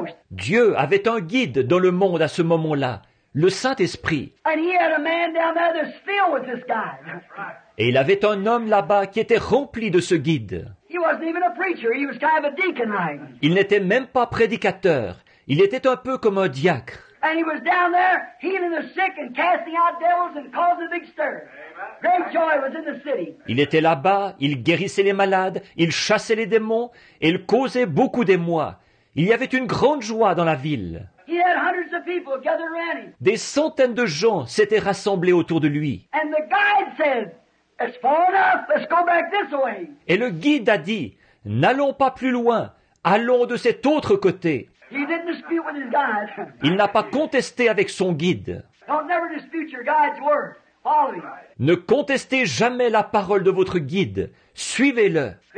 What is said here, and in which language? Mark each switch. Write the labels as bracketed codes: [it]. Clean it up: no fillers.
[fr] Dieu avait un guide dans le monde à ce moment-là, le Saint-Esprit. [en] And he had a man down there that's filled with this guide. [fr] Et il avait un homme là-bas qui était rempli de ce guide. [en] He wasn't even a preacher, he was kind of a deacon like. [fr] Il n'était même pas prédicateur, il était un peu comme un diacre. [en] And he was down there healing the sick and casting out devils and causing a big stir. Great joy was in the city. [fr] Il était là-bas, il guérissait les malades, il chassait les démons et il causait beaucoup d'émoi. Il y avait une grande joie dans la ville. [en] He had hundreds of people gathered around him. [fr] Des centaines de gens s'étaient rassemblés autour de lui. [en] And the guide said, it's far enough, let's go back this way. [fr] Et le guide a dit, n'allons pas plus loin, allons de cet autre côté. [en] He didn't dispute with his guide. [fr] Il n'a pas contesté avec son guide. [en] Don't never dispute your guide's word. [fr] Ne contestez jamais la parole de votre guide. Suivez-le.